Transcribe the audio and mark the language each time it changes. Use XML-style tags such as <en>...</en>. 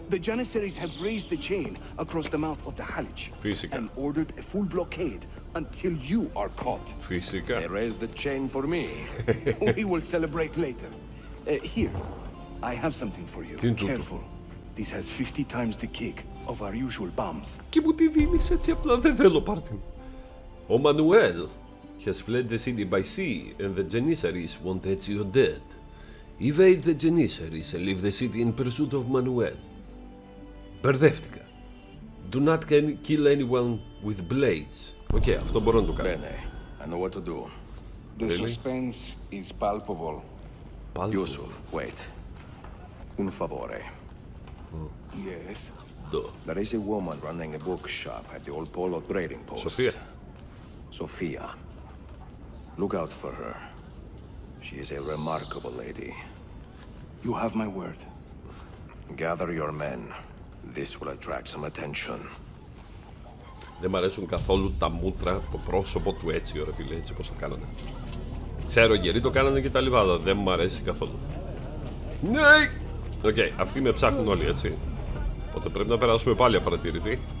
<en>The Janissaries have raised the chain across the mouth of the Halych.</en> <el>Φυσικά.</el> <en>And ordered a full blockade until you are caught.</en> <el>Φυσικά.</el> <en>They raised the chain for me. We will celebrate later. Here, I have something for you.</en> <el>Τιν τούτο.</el> <en>Careful. This has 50 times the kick of our usual bombs.</en> <el>Και μου τη δίνεις έτσι απλά, δεν θέλω, πάρτιν.</el> <en>Ο Manuel has fled the city by sea and the Janissaries want Ezio dead. Evade the Janissaries and leave the city in pursuit of Manuel.</en> <el>Μπερδεύτηκα.</el> <en>Do not kill anyone with blades.</en> <el>Okay, αυτό μπορώ να το κάνω.</el> <en>Bene, I know what to do. The suspense is palpable. Palpable. Yusuf, wait.</en> <it>Un favore.</it> <en>Yes. Do. There is a woman running a bookshop at the old Polo trading post. Sofia. Sofia. Look out for her. She is a remarkable lady. You have my word. Gather your men. This will attract some attention.</en> <el>Δεν μ' αρέσουν καθόλου τα μούτρα το πρόσωπο του έτσι, ρε φίλε, έτσι πως το κάνανε. Ξέρω, γεροί το κάνανε και τα λοιπά, αλλά δεν μ' αρέσει καθόλου. Ναι! Okay, αυτοί με ψάχνουν όλοι, έτσι. Οπότε πρέπει να περάσουμε πάλι απαρατήρητοι.</el>